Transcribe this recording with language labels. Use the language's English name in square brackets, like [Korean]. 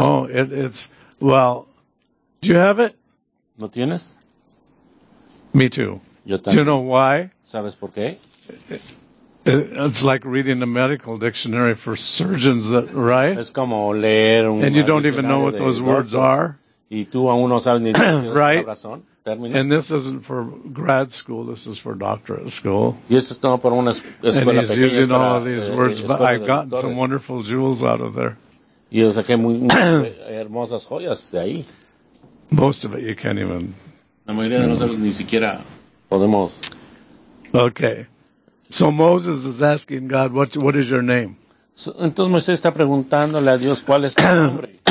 [English] Oh, it's well. Do you have it? [Spanish] ¿Lo tienes? [English] Me too. [Spanish] Yo también. [English] Do you know why? [Spanish] ¿Sabes por qué? [English] It's like reading a medical dictionary for surgeons, that, right? [Spanish] Es como leer un. [English] And you don't even know what those words are. [Spanish] Y tú aún no sabes ni de qué palabras son. [English] And this isn't for grad school, this is for doctorate school. [Spanish] Y esto es todo por una escuela [English] and he's [Spanish] pequeña, [English] using all of these words, but I've gotten doctores. Some wonderful jewels out of there. [Spanish] Y yo saqué muy, muy hermosas joyas de ahí. [English] Most of it you can't even... [Spanish] La mayoría de nosotros ni siquiera podemos... [English] Okay. So Moses is asking God, what is your name? So, [Spanish] entonces Moisés está preguntándole a Dios cuál es tu nombre.